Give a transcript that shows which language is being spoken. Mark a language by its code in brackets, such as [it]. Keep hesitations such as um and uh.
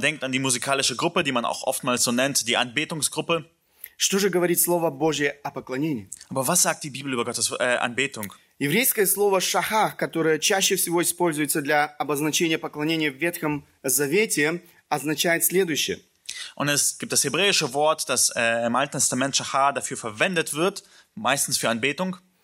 [de] denkt an die musikalische Gruppe, die man auch oftmals so nennt, die Anbetungsgruppe. [ru] Что же говорит Слово Божье о поклонении? [de] Aber was sagt die Bibel über Gottes, äh, [ru] Еврейское слово «шахах», которое чаще всего используется для обозначения поклонения в Ветхом Завете, означает следующее – [de] Und es gibt das hebräische Wort, das äh, im Alten Testament Shachar dafür verwendet wird, meistens für Anbetung.